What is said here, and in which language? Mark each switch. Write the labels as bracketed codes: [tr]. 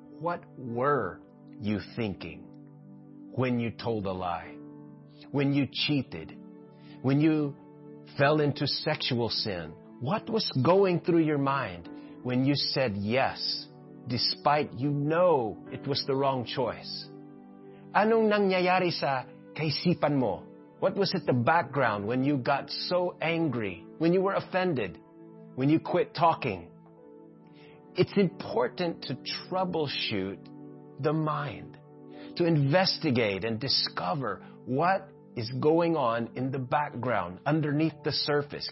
[en] What were you thinking when you told a lie? When you cheated? When you fell into sexual sin? What was going through your mind when you said yes, despite you know it was the wrong choice? [tl] Anong nangyayari sa kaisipan mo? [en] What was at the background when you got so angry, when you were offended, when you quit talking? It's important to troubleshoot the mind, to investigate and discover what is going on in the background, underneath the surface.